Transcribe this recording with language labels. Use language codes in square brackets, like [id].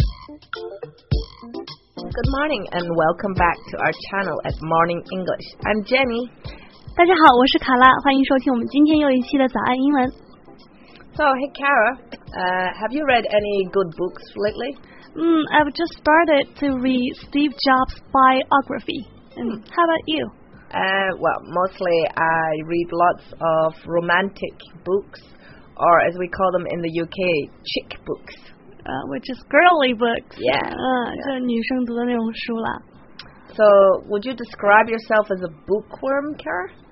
[en] Good morning and welcome back to our channel at Morning English. I'm Jenny. [zh] 大家好，我是卡拉，欢迎收听我们今天又一期的早安英文。 [en] So, hey Kara, have you read any good books lately? I've just started to read Steve Jobs' biography. And how about you? Well, mostly I read lots of romantic books, or as we call them in the UK, chick books. Which is girly books. Yeah. [zh] 就是女生读的那种书啦。 [en] So, would you describe yourself as a bookworm, Kara?